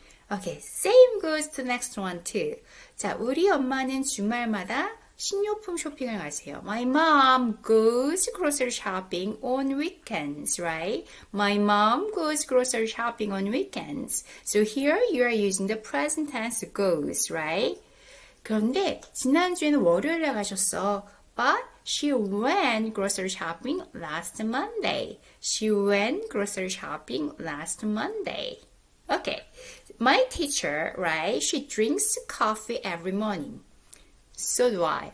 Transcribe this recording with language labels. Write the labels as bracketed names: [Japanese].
[English] Okay, same goes to the next one too. [Korean] 자, 우리 엄마는 주말마다 식료품 쇼핑을 가세요. [English] My mom goes grocery shopping on weekends, right? My mom goes grocery shopping on weekends. So here you are using the present tense goes, right? [Korean] 그런데 지난주에는 월요일에 가셨어. [English] But she went grocery shopping last Monday. She went grocery shopping last Monday. Okay, my teacher, right? She drinks coffee every morning. So do I.